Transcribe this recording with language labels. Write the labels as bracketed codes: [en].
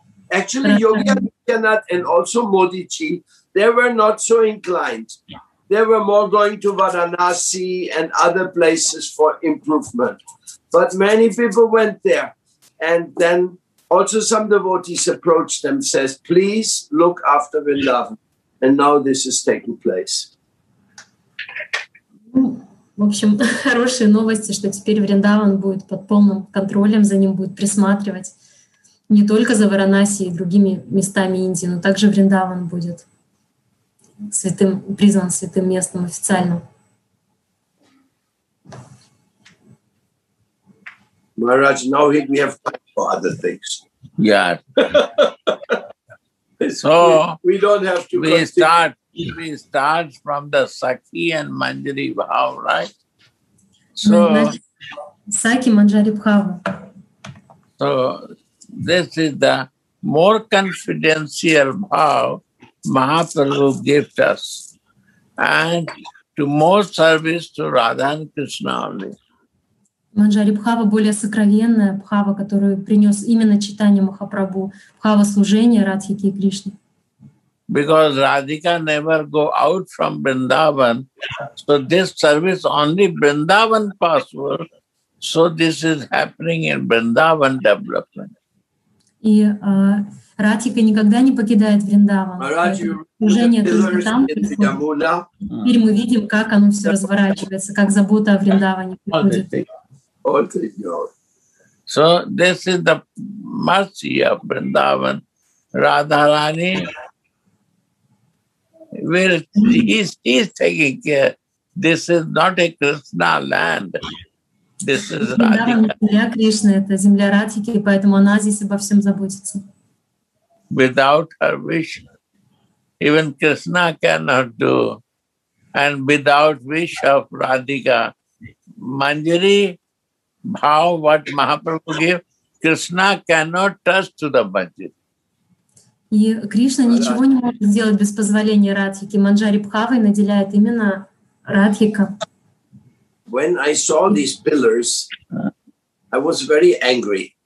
[en] Actually, Yogi Adityanath and also Modi-ji, they were not so inclined. They were more going to Varanasi and other places for improvement. But many people went there. And then also some devotees approached them, says, please look after Vrindavan. And now this is taking place. [ru] В общем, хорошие новости, что теперь Вриндаван будет под полным контролем, за ним будет присматривать не только за Варанаси и другими местами Индии, но также Вриндаван будет святым, признан святым местом официально. [en] Maharaj, now we have time for other things. Yeah. So we don't have to. We start from the Sakhi and Manjari Bhav, right? So Sakhi Manjari Bhav. So this is the more confidential bhav Mahaprabhu gave us, and to more service to Radha and Krishna only. [ru] Манджари Бхава – более сокровенная Бхава, которую принес именно читание Махапрабху, Бхава служения Радхике и Кришне. [en] Because Radhika never go out from Vrindavan, so this service only Vrindavan possible, so this is happening in Vrindavan development. [ru] И Радхика никогда не покидает Вриндаван. Служение тоже там происходит. Теперь мы видим, как оно все разворачивается, как забота о Вриндаване приходит. [en] So this is the mercy of Vrindavan. Radharani he's taking care. This is not a Krishna land. This is Radhika. Without her wish, even Krishna cannot do. And without wish of Radhika, Manjari Bhav, what Mahaprabhu gave, Krishna cannot touch to the budget. [ru] И Кришна ничего не может сделать без позволения Радхики. Манджари Бхавой наделяет именно Радхика. [en] When I saw these pillars, I was very angry.